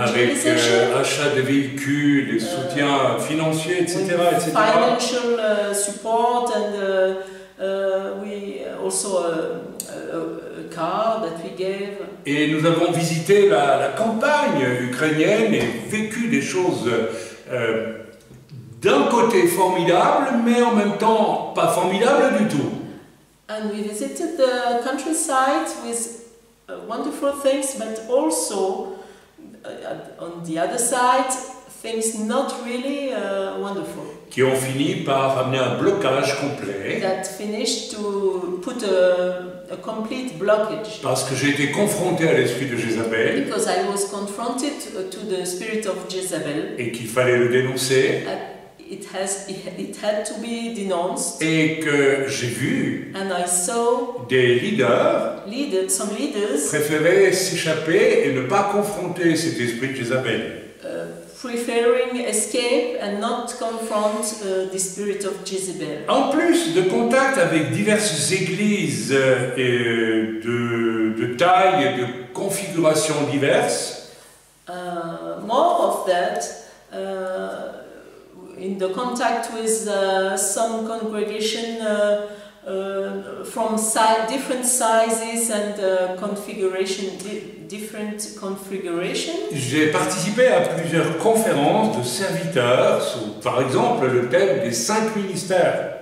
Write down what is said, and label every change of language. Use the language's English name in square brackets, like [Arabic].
[French] Avec achat de véhicules, des soutiens financiers, etc. [English] Financial support and we also a car that we gave. [French] Et nous avons visité la campagne ukrainienne et vécu des choses d'un côté formidables, mais en même temps pas formidables du tout. [English] And we visited the countryside with wonderful things, but also on the other side things not really wonderful. [French] Qui ont fini par amener un blocage complet. [English] That finished to put a complete blockage. [French] Parce que j'ai été confronté à l'esprit de Jézabel. [English] Because I was confronted to the spirit of Jezebel. [French] Et qu'il fallait le dénoncer. [English] It had to be denounced. [French] Et que j'ai vu. [English] And I saw [French] des leaders. [English] Some leaders. [French] Préféraient s'échapper et ne pas confronter cet esprit de Jézabel. [English] Preferring escape and not confront the spirit of Jezebel. [French] En plus de contact avec diverses églises et de taille et de configurations diverses. [English] More of that, in the contact with some congregation from different sizes and configuration. Different configurations. [French] J'ai participé à plusieurs conférences de serviteurs sur, par exemple, le thème des cinq ministères.